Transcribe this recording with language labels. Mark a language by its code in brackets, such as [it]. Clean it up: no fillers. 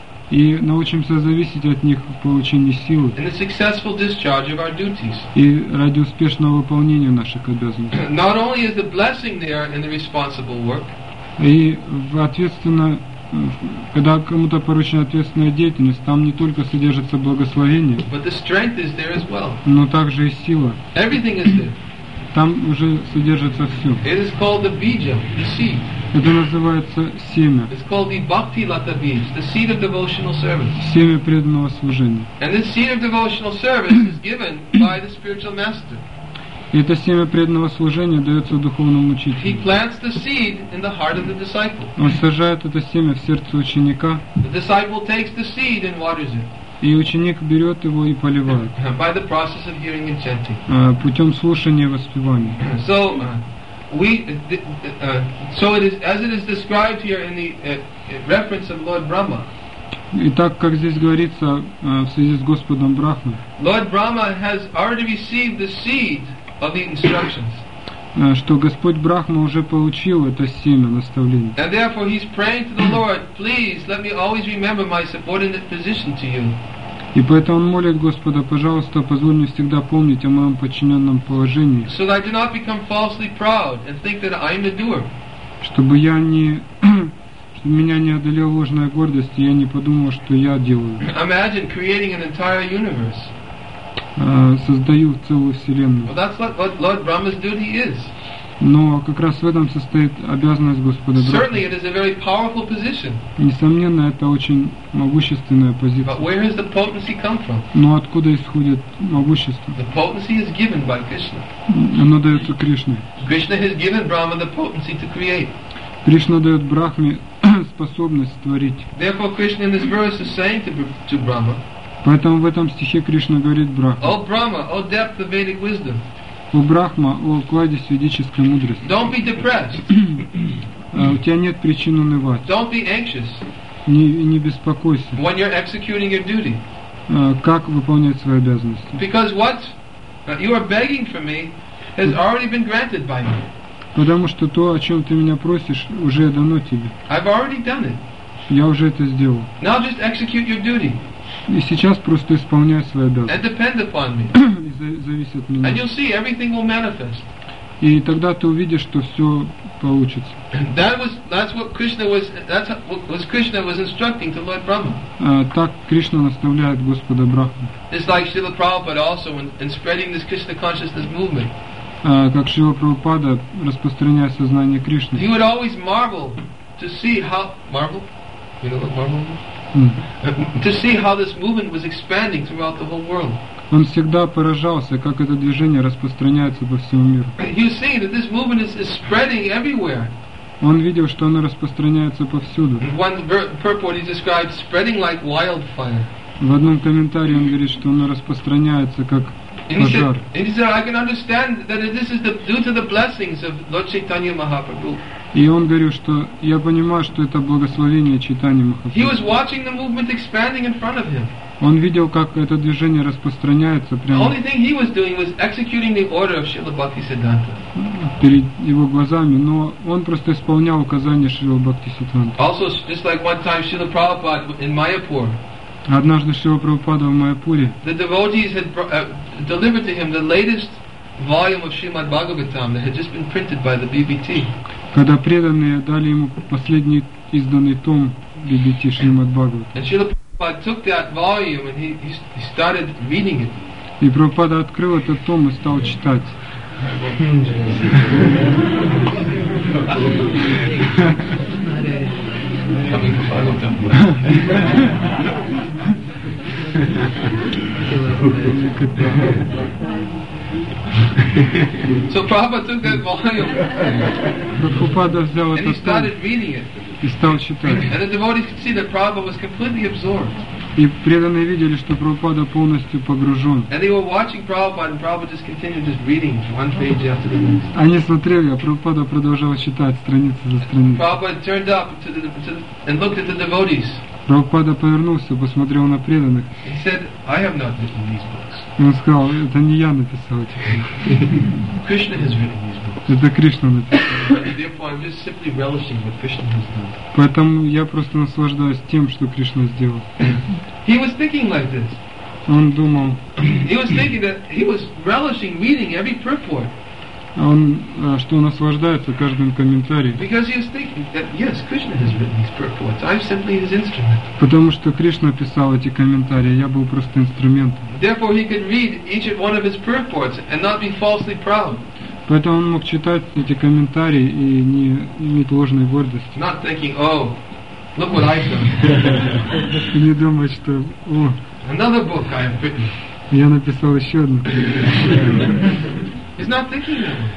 [ru] И научимся зависеть от них в получении силы. [en] And the successful discharge of our duties. [ru] И ради успешного выполнения наших обязанностей. [en] Not only is the blessing there in the responsible work. [ru] И ответственно, когда кому-то поручена ответственная деятельность, там не только содержится благословение. [en] But the strength is there as well. [ru] Но также и сила. [en] Everything is there. [ru] Там уже содержится все. [en] It is called the bija, the seed. [ru] Это называется семя. [en] It's called the bhakti lata bij, the seed of devotional service. [ru] Семя преданного служения. [en] And this seed of devotional service is given by the spiritual master. [ru] Это семя преданного служения дается духовному учителю. [en] He plants the seed in the heart of the disciple. [ru] Он сажает это семя в сердце ученика. [en] The disciple takes the seed and waters it. [ru] И ученик берет его и поливает. [en] By the process of hearing and chanting. [ru] Путем слушания и воспевания. [en] So, So it is described here in the reference of Lord Brahma. [ru] Итак, как здесь говорится в связи с Господом Брахмой. [en] Lord Brahma has already received the seed of the instructions. [ru] Что Господь Брахма уже получил это семя наставления. [en] And therefore he's praying to the Lord, please let me always remember my subordinate position to you. [ru] И поэтому он молит Господа: «Пожалуйста, позволь мне всегда помнить о моем подчиненном положении, чтобы я не... чтобы меня не одолела ложная гордость, и я не подумал, что я делаю». [en] Imagine creating an entire universe. [ru] Создаю целую вселенную. [en] Well, that's what Lord Brahma's duty is. [ru] Но как раз в этом состоит обязанность Господа Брахмы. [en] Certainly it is a very powerful position. [ru] Несомненно, это очень могущественная позиция. [en] But where does the potency come from? [ru] Но откуда исходит могущество? [en] The potency is given by Krishna. [ru] Оно дается Кришной. [en] Krishna has given Brahma the potency to create. [ru] Кришна дает Брахме способность творить. [en] Therefore Krishna in this verse is saying to Brahma. [ru] Поэтому в этом стихе Кришна говорит Брахме: [en] О Брахма, о depth of Vedic wisdom. [ru] О Брахма, о кладезь ведической мудрости. [en] Don't be depressed. [ru] У тебя нет причин унывать. [en] Don't be anxious. [ru] Не беспокойся. [en] When you're executing your duty. [ru] Как выполнять свои обязанности? [en] Because what you are begging for me has already been granted by me. [ru] Потому что то, о чем ты меня просишь, уже дано тебе. [en] I've already done it. [ru] Я уже это сделал. [en] Now just execute your duty. [ru] И сейчас просто исполняй свои обязанности. [en] And depend upon me. [ru] Зависит от меня. [en] And you'll see everything will manifest. [ru] И тогда ты увидишь, что все получится. [en] That's what Krishna was instructing to Lord Brahma. [ru] Так Кришна наставляет Господа Брахму. [en] It's like Srila Prabhupada also in spreading this Krishna consciousness movement. [ru] Как Шрила Прабхупада распространяет сознание Кришны. [en] He would always marvel to see how marvel? You know what marvel is? To see how this movement was expanding throughout the whole world. [ru] Он всегда поражался, как это движение распространяется по всему миру. [en] You see that this movement is spreading everywhere. [ru] Он видел, что оно распространяется повсюду. [en] One purport he described spreading like wildfire. [ru] В одном комментарии он говорит, что оно распространяется как пожар. [en] And he said, I can understand that this is due to the blessings of Lord Chaitanya Mahaprabhu. [ru] И он говорил, что я понимаю, что это благословение Чайтаньи Махапрабху. [en] He was watching the movement expanding in front of him. [ru] Он видел, как это движение распространяется прямо. [en] The only thing he was doing was executing the order of Srila Bhaktisiddhanta. [ru] Перед его глазами, но он просто исполнял указания Шрила Бхактисиддханты. [en] Also, just like one time Srila Prabhupada in Mayapur. [ru] Однажды Шрила Прабхупада в Майяпуре. [en] The devotees had delivered to him the latest volume of Srimad Bhagavatam that had just been printed by the BBT. [ru] Когда преданные дали ему последний изданный том BBT Шримад Бхагаватам. [en] And Srila Prabhupada took that volume and he started reading it. [ru] И Прабхупада открыл этот том и стал читать. [en] So Prabhupada took that volume and he started reading it. And the devotees could see that Prabhupada was completely absorbed. [ru] И преданные видели, что Прабхупада полностью погружен. [en] And they were watching Prabhupada, and Prabhupada just continued just reading one page after the next. [ru] Они смотрели, а Прабхупада продолжал читать страницы за страницей. [en] Prabhupada turned up and looked at the devotees. [ru] Прабхупада повернулся, посмотрел на преданных. [en] He said, I have not written these books. [ru] И он сказал, это не я написал эти книги. [en] Krishna has written these books. [ru] Это Кришна написал. [en] Therefore, I'm just simply relishing what Krishna has done. [ru] Поэтому я просто наслаждаюсь тем, что Кришна сделал. [en] He was thinking like this. [ru] Он думал. [en] He was thinking that he was relishing reading every purport. [ru] Он что наслаждается каждым комментарием. [en] Because he was thinking that yes, Krishna has written these purports. I'm simply his instrument. [ru] Потому что Кришна писал эти комментарии, я был просто инструментом. [en] Therefore, he could read each one of his purports and not be falsely proud. [ru] Поэтому он мог читать эти комментарии и не иметь ложной гордости. [en] Not thinking, oh, look what I've done. [ru] Не думать, что, о. [en] Another book I have written. [ru] Я написал еще одну. [en] He's not thinking that way.